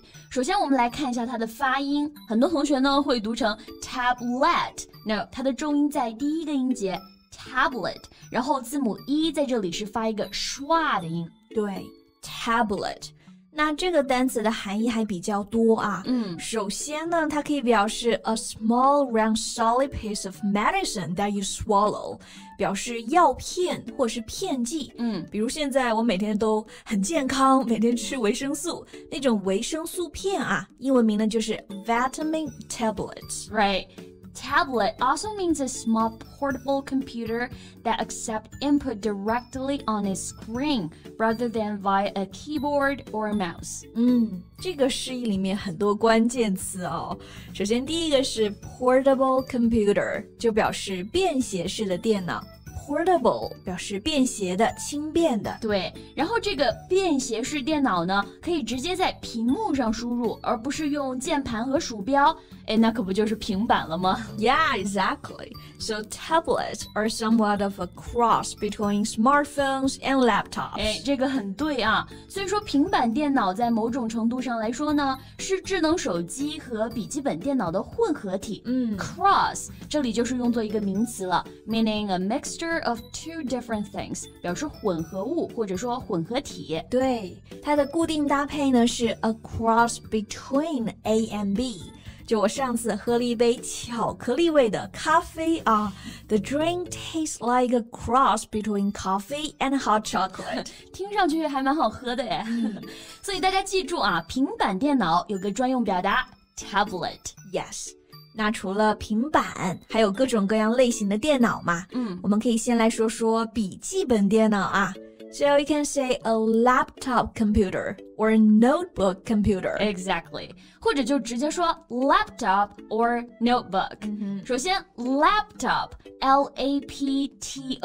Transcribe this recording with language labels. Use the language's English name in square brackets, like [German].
[Chinese] 首先我们来看一下它的发音，很多同学呢会读成 tablet. No, 它的重音在第一个音节 tablet, 然后字母 E 在这里是发一个 schwa 的音。对， tablet. 那这个单词的含义还比较多啊。首先呢，它可以表示 [English] a small round solid piece of medicine that you swallow, [Chinese] 表示药片或是片剂。比如现在我每天都很健康，每天吃维生素，那种维生素片啊，英文名呢就是 vitamin tablet. [English] Right. Tablet also means a small portable computer that accepts input directly on a screen rather than via a keyboard or a mouse. [Chinese] 这个释义里面很多关键词哦。首先第一个是 portable computer, 就表示便携式的电脑。 Portable 表示便携的、轻便的。对，然后这个便携式电脑呢，可以直接在屏幕上输入，而不是用键盘和鼠标。哎，那可不就是平板了吗？ [English] Yeah, exactly. So tablets are somewhat of a cross between smartphones and laptops. [Chinese] 哎，这个很对啊。所以说平板电脑在某种程度上来说呢，是智能手机和笔记本电脑的混合体。 Cross 这里就是用作一个名词了， [English] meaning a mixture. Of two different things, [Chinese] 表示混合物或者说混合体。对，它的固定搭配呢是 [English] a cross between A and B。 [Chinese] 就我上次喝了一杯巧克力味的咖啡啊 [English] ，the drink tastes like a cross between coffee and hot chocolate。 [Chinese] 听上去还蛮好喝的耶。所以大家记住啊，平板电脑有个专用表达 tablet。 [English] Yes。 [Chinese] 那除了平板还有各种各样类型的电脑嘛，我们可以先来说说笔记本电脑啊。 [English] So you can say a laptop computer or a notebook computer. Exactly. [Chinese] 或者就直接说 [English] laptop or notebook. [Chinese] 首先 laptop, L-A-P-T-O-P.